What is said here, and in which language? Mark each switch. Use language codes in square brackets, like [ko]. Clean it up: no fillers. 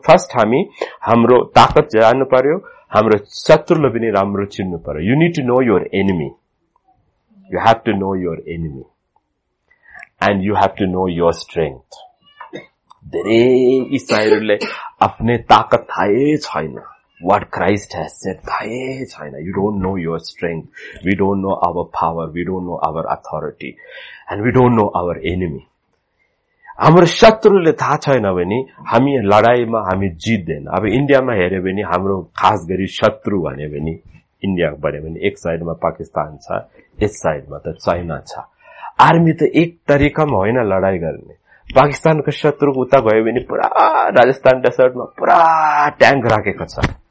[ne] First हामी हाम्रो ताकत जान्नु पर्यो हाम्रो शत्रुलाई पनि राम्रो चिन्नु पर्यो. [en] You need to know your enemy. You have to know your enemy and you have to know your strength. [ne] धेरै इसाईहरूले आफ्नै ताकत थाहै छैन. [en] What Christ has said, [ne] thae chayna. [en] You don't know your strength. We don't know our power. We don't know our authority. And we don't know our enemy. [ne] हाम्रो शत्रुले थाहा छैन भने हामी लडाईमा हामी जित्दैन. अब इन्डियामा हेऱ्यो भने हाम्रो खास गरी शत्रु भन्यो भने इन्डिया भन्यो भने एक साइडमा पाकिस्तान छ, यस साइडमा त चाइना छ. आर्मी त एक तरिकामा होइन लडाई गर्ने. पाकिस्तानको शत्रु उता गयो भने पुरा राजस्थान डेसर्टमा पुरा ट्याङ्क राखेको छ.